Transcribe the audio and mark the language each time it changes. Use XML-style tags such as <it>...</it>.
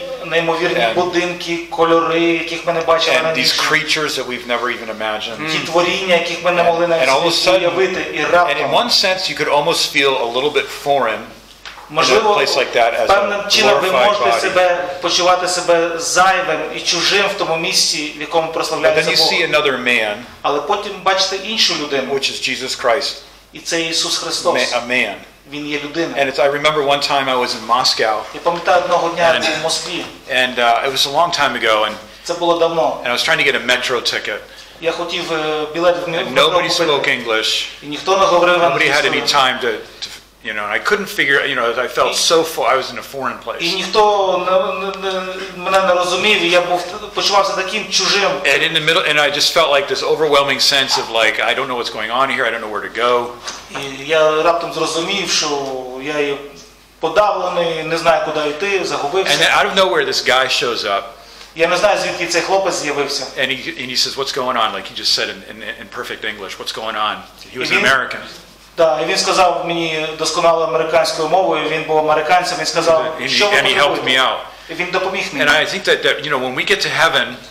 <uk>Неймовірні будинки, кольори, яких ми не бачили раніше.</uk> <en>And these creatures that we've never even imagined.</en> <uk>Ті творіння, яких ми не могли навіть уявити, і раптом.</uk> <en>And in one sense you could almost feel a little bit foreign.</en> <uk>Можливо,</uk> <en>in a place like that as a glorified body.</en> <uk>Ви можете почувати себе зайвим і чужим в тому місці, в якому прославляється Бог.</uk> <en>But then you see another man.</en> <uk>Але потім бачите іншу людину.</uk> <en>Which is Jesus Christ.</en> <uk>І це Ісус Христос.</uk> <en>A man.</en> <uk>Він є людина.</uk> <en>And I remember one time I was in Moscow.</en> <uk>Я пам'ятаю одного дня, я був в Москві.</uk> <en>And it was a long time ago and</en> <uk>це було давно.</uk> <en>And I was trying to get a metro ticket.</en> <uk>Я хотів білет в метро.</uk> <en>Nobody spoke English.</en> <uk>І ніхто не говорив англійською.</uk> <en>Nobody had any time to you know, and I couldn't figure, you know, I felt so far, I was in a foreign place.</en> <uk>І ніхто мене не розумів, і я почувався таким чужим.</uk> <en>And in the middle, and I just felt like this overwhelming sense of like, I don't know what's going on here, I don't know where to go.</en> <uk>І я раптом зрозумів, що я подавлений, не знаю, куди йти, загубився.</uk> <en>And out of nowhere, this guy shows up.</en> <uk>Я не знаю, звідки цей хлопець з'явився.</uk> <en>And he says, what's going on? Like he just said in perfect English, what's going on? He was an American.</en> <uk>Да, і він сказав мені досконало американською мовою, він був американцем, він сказав, що ви робите? І він допоміг мені.</uk> <en>And I think that you know, when we get to heaven,</en>